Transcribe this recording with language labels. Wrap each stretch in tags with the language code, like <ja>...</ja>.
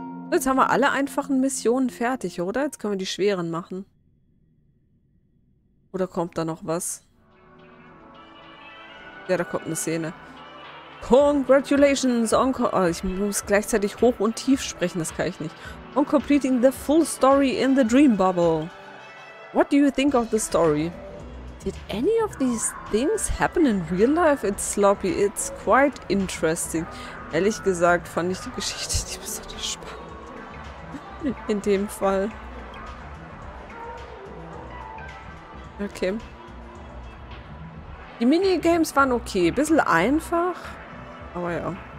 <de>Jetzt haben wir alle einfachen Missionen fertig, oder? Jetzt können wir die schweren machen. Oder kommt da noch was? Ja, da kommt eine Szene.</de> <en>Congratulations on...</en> <de>Oh, ich muss gleichzeitig hoch und tief sprechen, das kann ich nicht.</de> <en>On completing the full story in the dream bubble. What do you think of the story? Did any of these things happen in real life? It's sloppy. It's quite interesting.</en> <de>Ehrlich gesagt fand ich die Geschichte nicht besonders spannend. In dem Fall. Okay. Die Minigames waren okay. Bisschen einfach. Aber ja.</de>